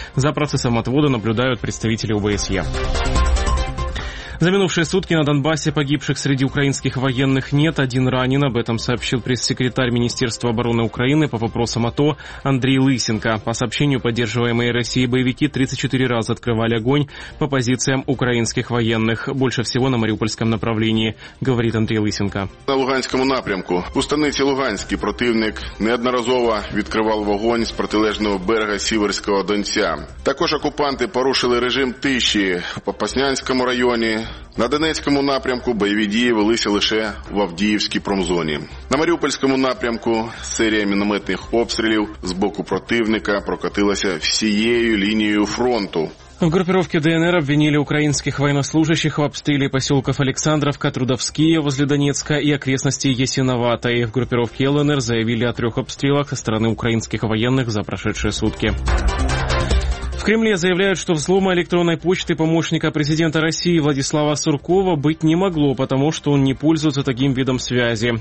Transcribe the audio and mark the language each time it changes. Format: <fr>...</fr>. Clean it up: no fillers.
<ru>За процессом отвода наблюдают представители ОБСЕ. За минувшие сутки на Донбассе погибших среди украинских военных нет, один ранен. Об этом сообщил пресс-секретарь Министерства обороны Украины по вопросам АТО Андрей Лысенко. По сообщению, поддерживаемые Россией боевики 34 раза открывали огонь по позициям украинских военных. Больше всего на Мариупольском направлении, говорит Андрей Лысенко.</ru> <uk>На Луганському напрямку. У станиці Луганській противник неодноразово відкривав вогонь з протилежного берега Сіверського Донця. Також окупанти порушили режим тиші в Попаснянському районі. На Донецькому напрямку бойові дії велися лише в Авдіївській промзоні. На Маріупольському напрямку серія мінометних обстрілів з боку противника прокотилася всією лінією фронту.</uk> <ru>В группировке ДНР обвинили украинских военнослужащих в обстреле поселков Александровка, Трудовские возле Донецка и окрестностей Ясиноватой. В группировке ЛНР заявили о трех обстрелах со стороны украинских военных за прошедшие сутки. В Кремле заявляют, что взлома электронной почты помощника президента России Владислава Суркова быть не могло, потому что он не пользуется таким видом связи.</ru>